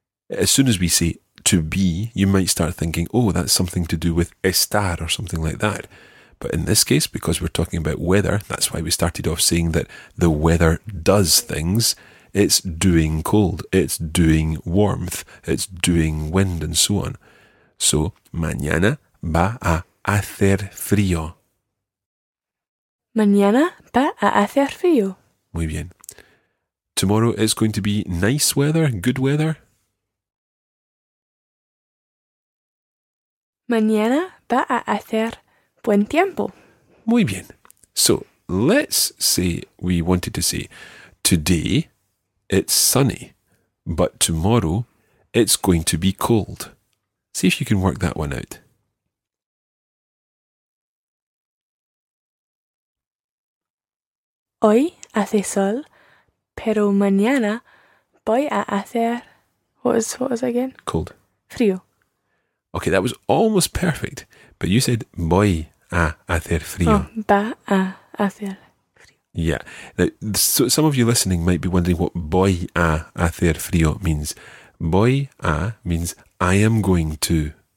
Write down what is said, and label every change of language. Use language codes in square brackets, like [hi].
[en] As soon as we say to be, you might start thinking, oh, that's something to do with estar or something like that. But in this case, because we're talking about weather, that's why we started off saying that the weather does things. It's doing cold, it's doing warmth, it's doing wind and so on. [es] So, mañana va a hacer frío. Mañana va a hacer frío. Muy bien. [en] Tomorrow is going to be nice weather, good weather. [es] Mañana va a hacer buen tiempo. Muy bien. [en] So, let's say we wanted to say, today it's sunny, but tomorrow it's going to be cold. See if you can work that one out. [es] Hoy hace sol, pero mañana voy a hacer... [en] What was again? Cold. [es] Frío. [en] Okay, that was almost perfect, but you said [es] voy a hacer frío. Oh, va a hacer frío. [en] Yeah. Now, so some of you listening might be wondering what [es] voy a hacer frío [en] means. Voy a means I am going to.